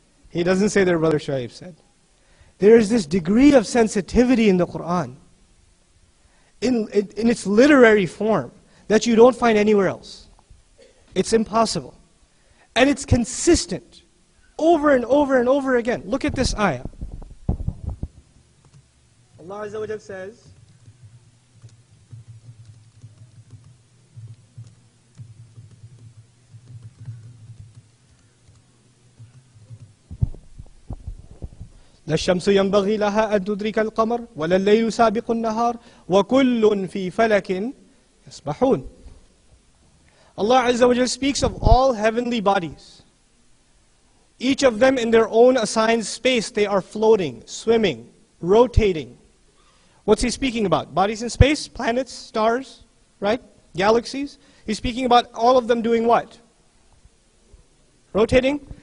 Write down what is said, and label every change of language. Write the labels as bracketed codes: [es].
[en] He doesn't say their brother Shu'aib said. There is this degree of sensitivity in the Quran, in its literary form, that you don't find anywhere else. It's impossible. And it's consistent, over and over and over again. Look at this ayah. [ar] Allah Azza wa Jal says, لَالشَّمْسُ يَنْبَغِي لَهَا أَن تُدْرِكَ الْقَمَرِ وَلَا اللَّيْلُ سَابِقُ النَّهَارِ وَكُلٌّ فِي فَلَكٍ يَسْبَحُونَ. [en] Allah Azza wa Jal speaks of all heavenly bodies. Each of them in their own assigned space, they are floating, swimming, rotating. What's he speaking about? Bodies in space, planets, stars, right? Galaxies. He's speaking about all of them doing what? Rotating.